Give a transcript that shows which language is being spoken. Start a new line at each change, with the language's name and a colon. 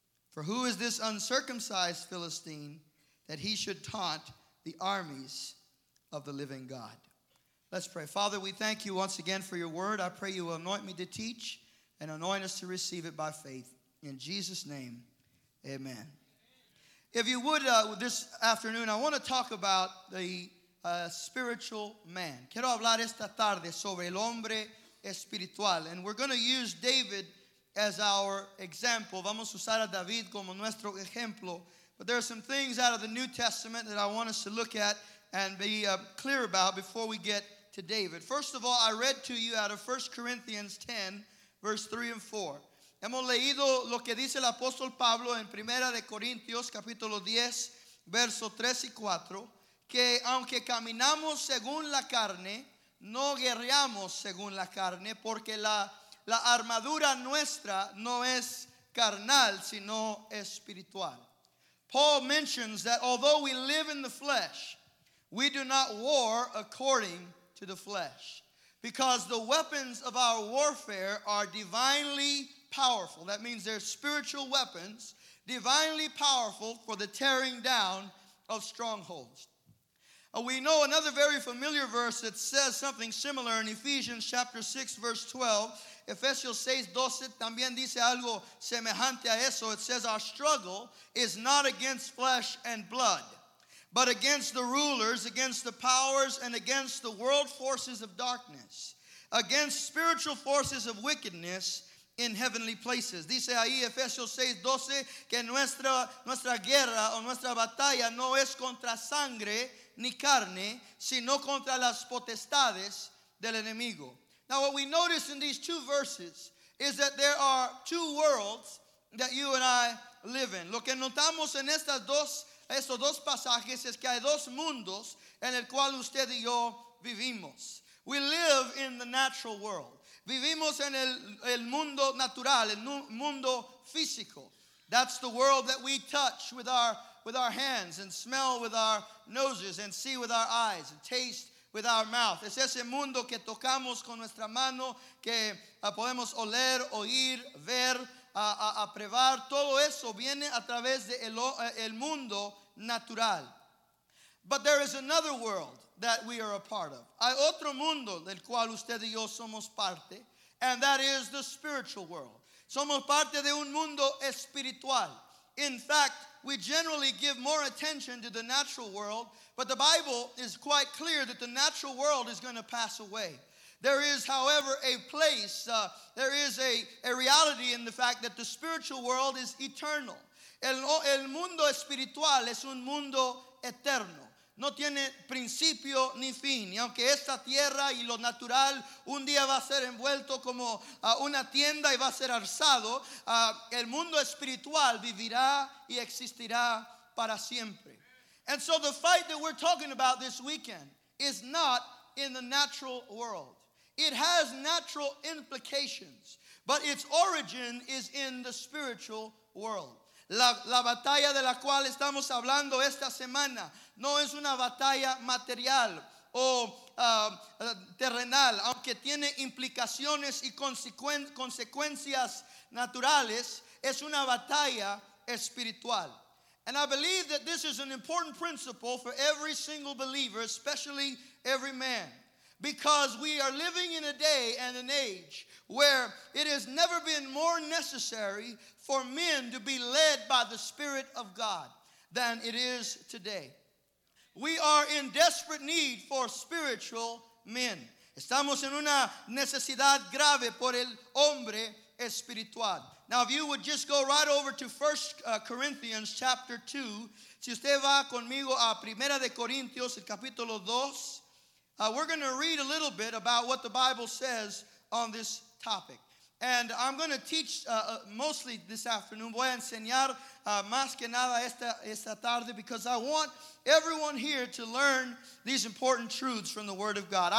English: For who is this uncircumcised Philistine that he should taunt the armies of the living God?" Let's pray. Father, we thank you once again for your word. I pray you will anoint me to teach and anoint us to receive it by faith. In Jesus' name, amen. If you would, this afternoon, I want to talk about the spiritual man.
Spanish: Quiero hablar esta tarde sobre el hombre espiritual.
English: And we're going to use David as our example.
Spanish: Vamos a usar a David como nuestro ejemplo.
English: But there are some things out of the New Testament that I want us to look at and be clear about before we get to David. First of all, I read to you out of 1 Corinthians 10, verse 3 and 4.
Spanish: Hemos leído lo que dice el apóstol Pablo en Primera de Corintios, capítulo 10, verso 3 y 4, que aunque caminamos según la carne, no guerreamos según la carne, porque la armadura nuestra no es carnal, sino espiritual.
English: Paul mentions that although we live in the flesh, we do not war according to the flesh, because the weapons of our warfare are divinely powerful. That means they're spiritual weapons, divinely powerful for the tearing down of strongholds. We know another very familiar verse that says something similar in Ephesians chapter 6, verse 12.
Spanish: Ephesians 6, 12 también dice algo semejante a eso.
English: It says, "Our struggle is not against flesh and blood, but against the rulers, against the powers, and against the world forces of darkness, against spiritual forces of wickedness in heavenly places."
Spanish: Dice ahí Efesios 6, 12, que nuestra guerra o nuestra batalla no es contra sangre ni carne, sino contra las potestades del enemigo.
English: Now what we notice in these two verses is that there are two worlds that you and I live in.
Spanish: Lo que notamos en estos dos pasajes es que hay dos mundos en el cual usted y yo vivimos.
English: We live in the natural world.
Spanish: Vivimos en el mundo natural, el mundo físico.
English: That's the world that we touch with our hands and smell with our noses and see with our eyes and taste with our mouth.
Spanish: Es ese mundo que tocamos con nuestra mano, que podemos oler, oír, ver, a probar. Todo eso viene a través de el mundo natural.
English: But there is another world that we are a part of.
Spanish: Hay otro mundo del cual usted y yo somos parte,
English: and that is the spiritual world.
Spanish: Somos parte de un mundo espiritual.
English: In fact, we generally give more attention to the natural world, but the Bible is quite clear that the natural world is going to pass away. There is, however, a place, there is a reality in the fact that the spiritual world is eternal.
Spanish: El mundo espiritual es un mundo eterno. No tiene principio ni fin. Y aunque esta tierra y lo natural un día va a ser envuelto como una tienda y va a ser alzado, el mundo espiritual vivirá y existirá para siempre.
English: And so the fight that we're talking about this weekend is not in the natural world. It has natural implications, but its origin is in the spiritual world.
Spanish: La batalla de la cual estamos hablando esta semana no es una batalla material o terrenal, aunque tiene implicaciones y consecuencias naturales, es una batalla espiritual.
English: And I believe that this is an important principle for every single believer, especially every man, because we are living in a day and an age where it has never been more necessary for men to be led by the Spirit of God than it is today. We are in desperate need for spiritual men.
Spanish: Estamos en una necesidad grave por el hombre espiritual.
English: Now, if you would just go right over to 1 Corinthians chapter 2.
Spanish: Si usted va conmigo a Primera de Corintios, el capítulo 2.
English: We're going to read a little bit about what the Bible says on this topic. And I'm going to teach mostly this afternoon.
Spanish: Voy a enseñar más que nada esta tarde
English: because I want everyone here to learn these important truths from the Word of God.